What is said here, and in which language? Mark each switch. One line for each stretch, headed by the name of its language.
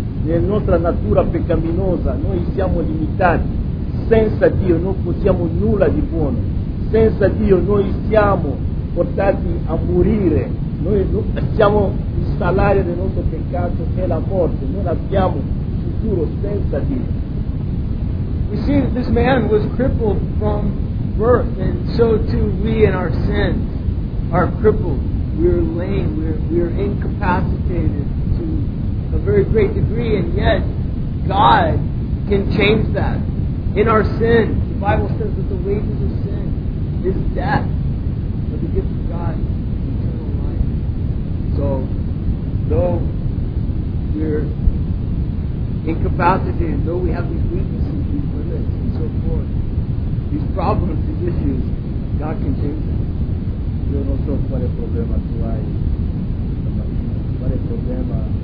Italian: Nella nostra natura peccaminosa noi siamo limitati, senza Dio non possiamo nulla di buono, senza Dio noi siamo portati a morire, noi siamo il salario del nostro peccato che è la morte, non abbiamo futuro senza Dio.
English: We see that this man was crippled from birth, and so too we in our sins are crippled, we're lame, we're incapacitated to a very great degree, and yet God can change that. In our sin, the Bible says that the wages of sin is death, but the gift of God is eternal life. So, though we're incapacitated, though we have these weaknesses, these limits, and so forth, these problems, these issues, God can change them.
Italian: Io non so quale problema tu hai, quale problema.